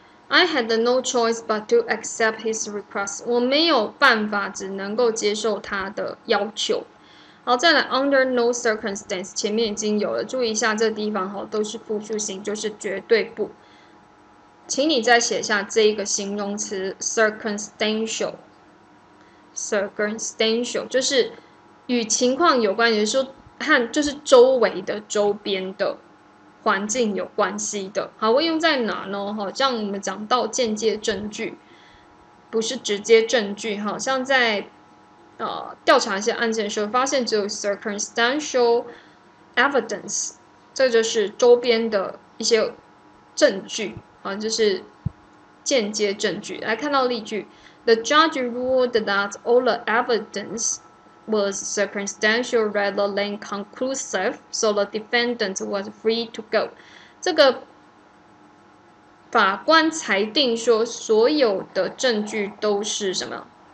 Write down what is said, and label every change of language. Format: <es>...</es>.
<en>I had no choice but to accept his request.</en> <zh>我没有办法，只能够接受他的要求。好，再来， under no circumstance，前面已经有了，注意一下这地方都是复数形，就是绝对不。请你再写下这一个形容词 circumstantial，circumstantial 就是与情况有关，也就是说和就是周围的、周边的。环境有关系的，好，会用在哪呢？像我们讲到间接证据，不是直接证据，好像在调查一些案件的时候，发现只有 circumstantial evidence，这就是周边的一些证据，就是间接证据。</zh> <en>来看到例句， The judge ruled that all the evidence was circumstantial rather than conclusive, so the defendant was free to go.</en> <zh>这个法官裁定说，所有的证据都是什么？</zh>